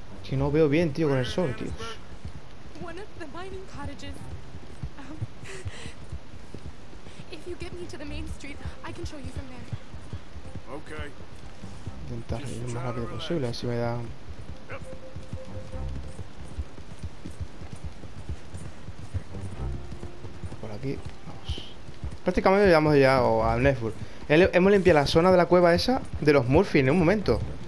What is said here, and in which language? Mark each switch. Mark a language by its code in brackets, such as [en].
[es] Si no veo bien, tío, con el sol, tío. [en] One of the mining cottages. If you get me to the main street, I can show you from there. Okay. [es] Intentar ir lo más rápido posible, así me da. Por aquí, vamos. Prácticamente llegamos ya a Netflix. Hemos limpiado la zona de la cueva esa de los Murphy en un momento.